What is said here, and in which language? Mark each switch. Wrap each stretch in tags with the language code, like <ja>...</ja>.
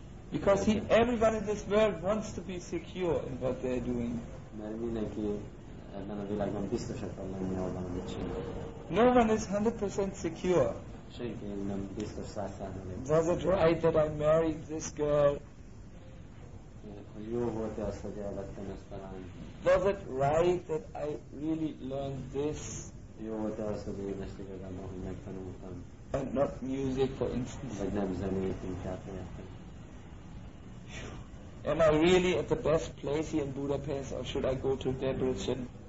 <en>Because everyone in this world wants to be secure in what they are doing.</en> <hu>Mert mindenki ebben a világban biztos akar lenni abban, amit csinál.</hu> <en>No one is 100% secure.</en> <hu>Senki nem biztos 100%.</hu> <en>Was it right that I married this girl?</en> <hu>Jó volt az, hogy elvettem ezt a lányt.</hu> <en>Was it right that I really learned this?</en> <hu>Jó volt az, hogy én ezt igazából, hogy megtanultam.</hu> <en>And not music, for instance.</en> <hu>Vagy nem zenét, inkább értem.</hu> <en>Am I really at the best place here in Budapest, or should I go to Debrecen?</en>